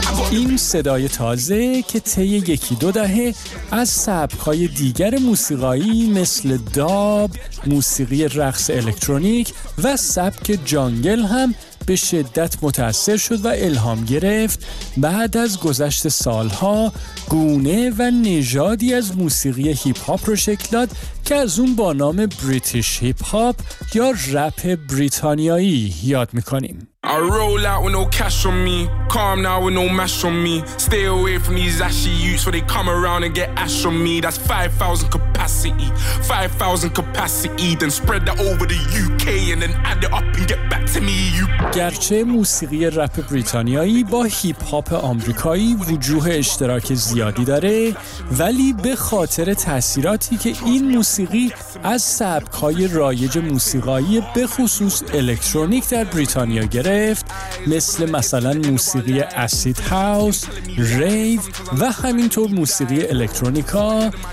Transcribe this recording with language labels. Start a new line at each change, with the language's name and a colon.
Persian: این صدای تازه که طی یکی دو دهه از سبک‌های دیگر موسیقایی مثل داب، موسیقی رقص الکترونیک و سبک جانگل هم به شدت متاثر شد و الهام گرفت، بعد از گذشت سالها گونه و نژادی از موسیقی هیپ هاپ رو شکل داد که از اون با نام بریتیش هیپ هاپ یا رپ بریتانیایی یاد می‌کنیم.
English: I roll out with no cash on me, calm now with no mash on me. Stay away from these ashy utes where they come around and get ash on me. That's 5,000 capacity, 5,000 capacity. Then spread that over the UK and then add it up and get back to me.
Persian: گرچه موسیقی رپ بریتانیایی با هیپ هاپ آمریکایی وجوه اشتراک زیادی داره، ولی به خاطر تأثیراتی که این موسیقی از سبک‌های رایج موسیقایی به خصوص الکترونیک در بریتانیا گرفت، مثل مثلا موسیقی اسید هاوس، ریو و همینطور موسیقی الکترونیکا،